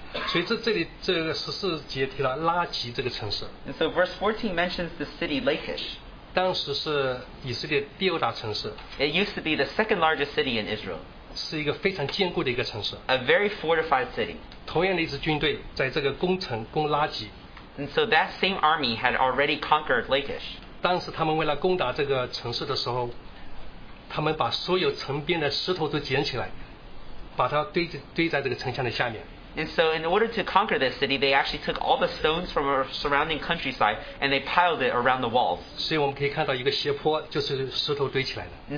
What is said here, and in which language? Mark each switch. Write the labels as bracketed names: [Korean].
[Chinese] 所以这里十四节提到拉吉这个城市。 [English] And so verse 14 mentions the city Lachish. [Chinese] 当时是以色列第二大城市。 [English] It used to be the second largest city in Israel. [Chinese] 是一个非常坚固的一个城市。 [English] A very fortified city. [Chinese] 同样的一支军队在这个攻城攻拉吉。 [English] And so that same army had already conquered Lachish. [Chinese] 当时他们为了攻打这个城市的时候，他们把所有城边的石头都捡起来，把它堆在这个城墙的下面。 [English] And so in order to conquer this city, they actually took all the stones from our surrounding countryside and they piled it around the walls. [Chinese] 所以我们可以看到一个斜坡，就是石头堆起来的。